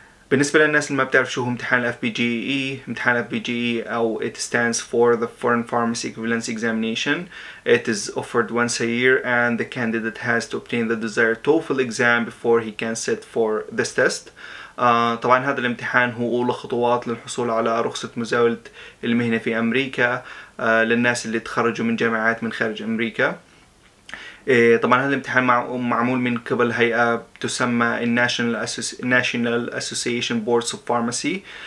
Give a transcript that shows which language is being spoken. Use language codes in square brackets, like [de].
[ar] بالنسبه للناس اللي ما بتعرف شو هو امتحان الاف بي جي اي، امتحان الاف بي جي اي او [en] it stands for the foreign pharmacy equivalence examination. It is offered once a year and the candidate has to obtain the desired TOEFL exam before he can sit for this test. [ar] طبعا هذا الامتحان هو أولى خطوات للحصول على رخصة مزاولة المهنة في أمريكا للناس اللي تخرجوا من جامعات من خارج أمريكا. طبعا هذا الامتحان معمول من قبل هيئة تسمى National Association Boards of Pharmacy.